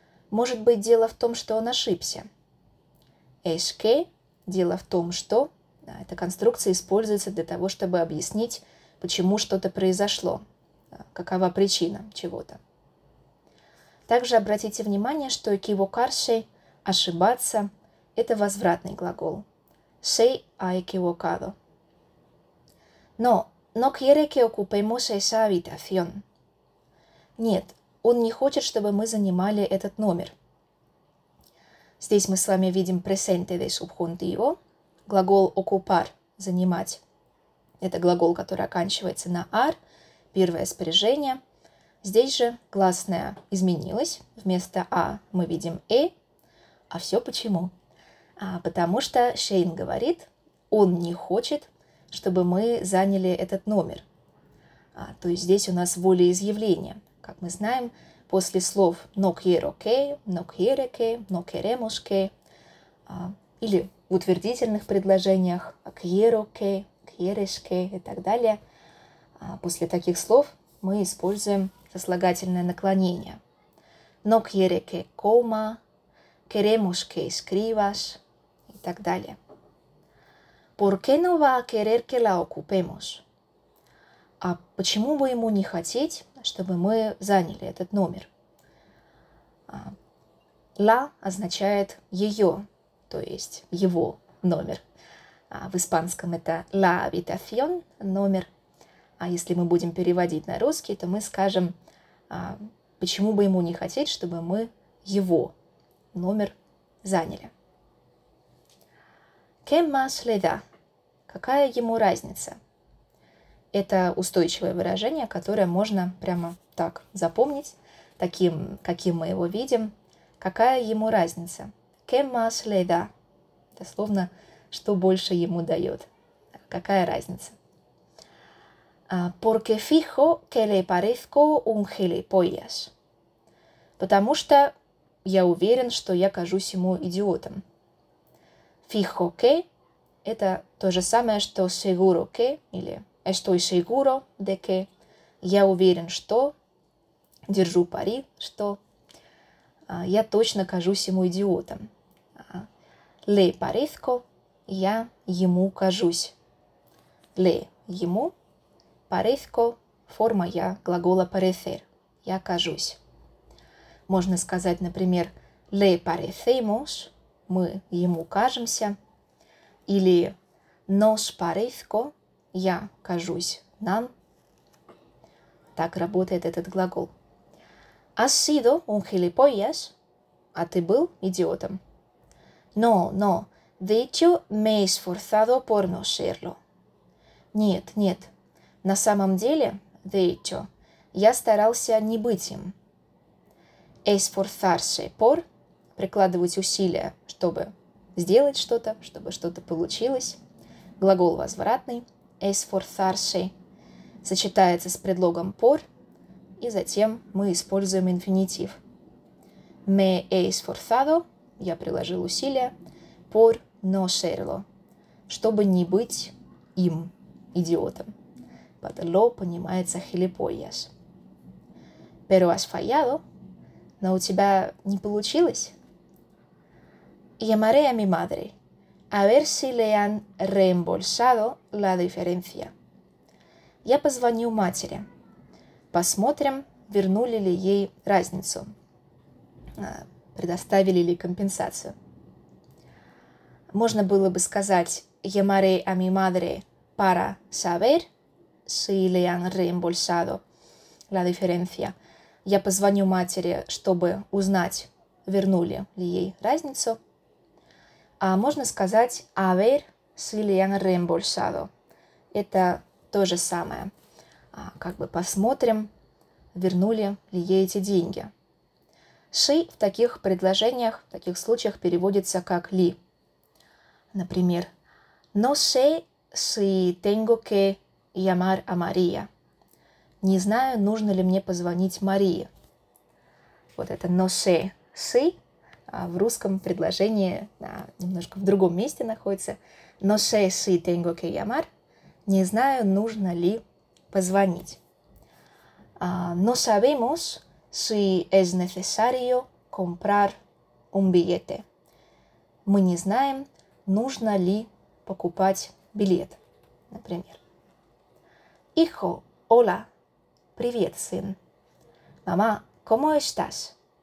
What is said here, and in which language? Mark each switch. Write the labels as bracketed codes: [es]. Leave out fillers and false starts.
[ru] Может быть, дело в том, что он ошибся. [es] «Es que» [ru] – «дело в том, что». Да, эта конструкция используется для того, чтобы объяснить, почему что-то произошло, какова причина чего-то. Также обратите внимание, что «equivocarse» – «ошибаться» – это возвратный глагол. [es] «Se ha equivocado». «No, no quiere que ocupemos esa habitación». [ru] «Нет, он не хочет, чтобы мы занимали этот номер». Здесь мы с вами видим [es] «presente de subjuntivo». [ru] Глагол «ocupar» – «занимать». Это глагол, который оканчивается на «ar» – первое спряжение. Здесь же гласное изменилось. Вместо «a» мы видим «e». А все почему? Потому что Шейн говорит, он не хочет, чтобы мы заняли этот номер. То есть здесь у нас волеизъявление. Как мы знаем, после слов [es] «no quiero que», «no quiere que», «no queremos que», [ru] или в утвердительных предложениях [es] «quiero que», «quieres que» [ru] и так далее, после таких слов мы используем сослагательное наклонение. [es] «No quiere que coma», «queremos que escribas» и так далее. «Por qué no va a querer que la ocupemos?» [ru] А почему бы ему не хотеть, чтобы мы заняли этот номер? «La» означает «ее», то есть «его номер». В испанском это [es] «la habitación» [ru] – «номер». А если мы будем переводить на русский, то мы скажем, почему бы ему не хотеть, чтобы мы его номер заняли. [es] «Qué más le da?» – [ru] «какая ему разница?» Это устойчивое выражение, которое можно прямо так запомнить, таким, каким мы его видим. «Какая ему разница?» [es] «Qué más le da?» [ru] – дословно «что больше ему дает?» «Какая разница?» [es] «Porque fijo que le parezco un gilipollas». [ru] «Потому что я уверен, что я кажусь ему идиотом». [es] «Fijo que» — [ru] это то же самое, что [es] «seguro que» [ru] или [es] «estoy seguro de que». [ru] «Я уверен, что», «держу пари, что». «Я точно кажусь ему идиотом». [es] «Le parezco» [ru] — «я ему кажусь». «Le» — «ему». «Parezco» – форма «я» глагола «parecer» – «я кажусь». Можно сказать, например, [es] «le parecemos» [ru] – «мы ему кажемся». Или [es] «nos parezco» [ru] – «я кажусь нам». Так работает этот глагол. [es] «Has sido un gilipollas» [ru] – «а ты был идиотом». [es] «No, no, de hecho me he esforzado por no serlo». [ru] «Нет, нет». На самом деле, [es] de hecho, [ru] я старался не быть им. [es] Esforzarse por [ru] – прикладывать усилия, чтобы сделать что-то, чтобы что-то получилось. Глагол возвратный – esforzarse – сочетается с предлогом por, и затем мы используем инфинитив. [es] Me he esforzado [ru] – я приложил усилия, [es] por no serlo [ru] – чтобы не быть им, идиотом. Под «ло» понимается «gilipollas». [es] «Pero has fallado?» [ru] «Но у тебя не получилось?» [es] «Llamaré a mi madre. A ver si le han reembolsado la diferencia». [ru] «Я позвоню матери. Посмотрим, вернули ли ей разницу. Предоставили ли компенсацию». Можно было бы сказать [es] «Llamaré a mi madre para saber». «Si le han reembolsado la diferencia». [ru] Я позвоню матери, чтобы узнать, вернули ли ей разницу. А можно сказать [es] «aver si le han reembolsado». [ru] Это то же самое. Как бы посмотрим, вернули ли ей эти деньги. «She» в таких предложениях, в таких случаях переводится как «ли». Например, [es] «No sé si tengo que llamar a María». [ru] «Не знаю, нужно ли мне позвонить Марии». Вот это [es] «no sé si» [ru] в русском предложении немножко в другом месте находится. [es] «No sé si tengo que llamar». [ru] «Не знаю, нужно ли позвонить». [es] «No sabemos si es necesario comprar un billete». [ru] «Мы не знаем, нужно ли покупать билет», например. [es] «Hijo, hola». [ru] «Привет, сын». [es] «Мама, ¿cómo estás?»